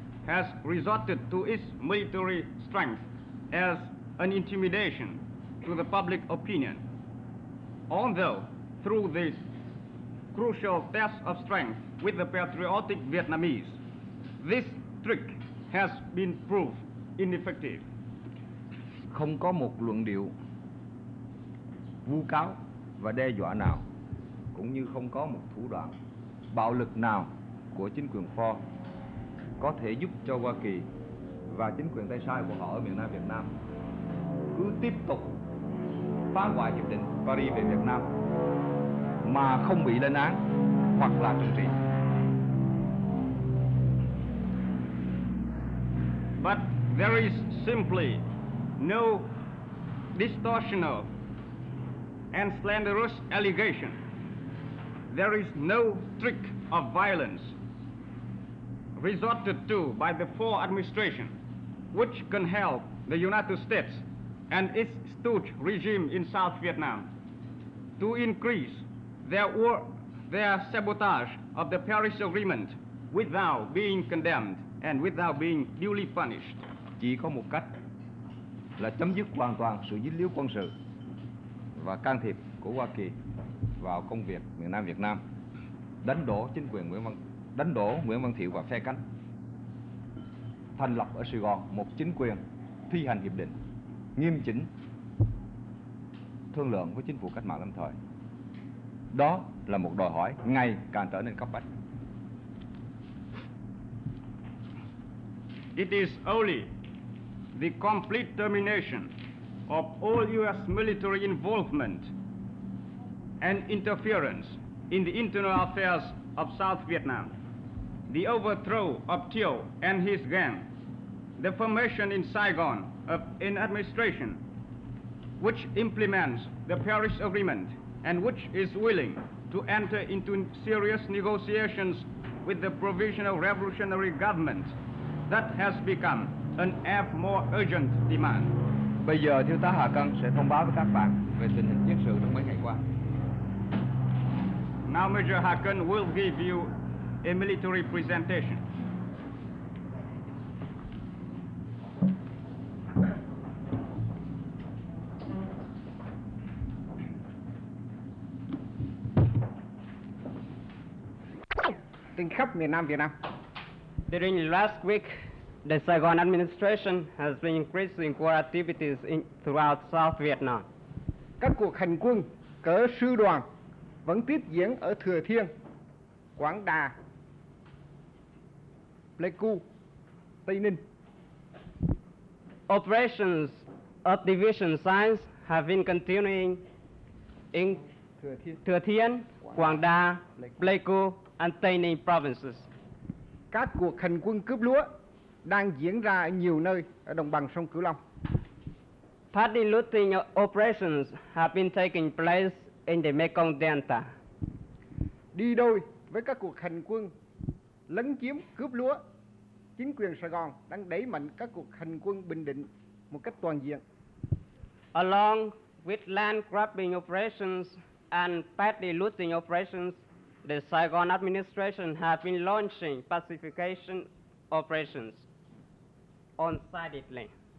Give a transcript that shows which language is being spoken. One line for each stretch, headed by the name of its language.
English: has resorted to its military strength as an intimidation to the public opinion. Although through this crucial test of strength with the patriotic Vietnamese, this trick has been proved ineffective.
Vietnamese: Không có một luận điệu vu cáo và đe dọa nào, cũng như không có một thủ đoạn bạo lực nào của chính quyền Pho có thể giúp cho Hoa Kỳ và chính quyền tay sai của họ ở miền Nam Việt Nam cứ tiếp tục phá hoại hiệp định Paris về Việt Nam mà không bị lên án hoặc là trừng trị.
English: But there is simply no distortional and slanderous allegation. There is no trick of violence resorted to by the Pho administration which can help the United States and its stooge regime in South Vietnam to increase their sabotage of the Paris Agreement without being condemned and without being duly punished.
Vietnamese: Chỉ có một cách là chấm dứt hoàn toàn sự dính líu quân sự và can thiệp của Hoa Kỳ vào công việc miền Nam Việt Nam, đánh đổ chính quyền Nguyễn Văn Thiệu và phe cánh, thành lập ở Sài Gòn một chính quyền thi hành hiệp định, nghiêm chỉnh thương lượng với chính phủ cách mạng lâm thời. Đó là một đòi hỏi ngày càng trở nên cấp bách.
English: It is only the complete termination of all U.S. military involvement and interference in the internal affairs of South Vietnam, the overthrow of Thieu and his gang, the formation in Saigon of an administration which implements the Paris Agreement and which is willing to enter into serious negotiations with the Provisional Revolutionary Government that has become an ever more urgent demand.
Vietnamese: Bây giờ Thiếu tá Hà Cân sẽ thông báo với các bạn về tình hình chiến sự trong mấy ngày qua.
English: Now Major Hà Cân will give you a military presentation.
Vietnamese: Tình khắp miền Nam Việt Nam.
English: During last week, the Saigon administration has been increasing war activities throughout South Vietnam.
Vietnamese: Các cuộc hành quân cỡ sư đoàn vẫn tiếp diễn ở Thừa Thiên, Quảng Đà, Pleiku, Tây Ninh.
English: Operations of division signs have been continuing in Thừa Thiên, Quảng Đà, Pleiku, and Tây Ninh provinces.
Vietnamese: Các cuộc hành quân cướp lúa đang diễn ra ở nhiều nơi ở đồng bằng sông Cửu Long.
English: Party looting operations have been taking place in the Mekong Delta.
Vietnamese: Đi đôi với các cuộc hành quân lấn chiếm cướp lúa, chính quyền Sài Gòn đang đẩy mạnh các cuộc hành quân bình định một cách toàn diện.
English: Along with land grabbing operations and party looting operations, the Saigon administration has been launching pacification operations on sided lane.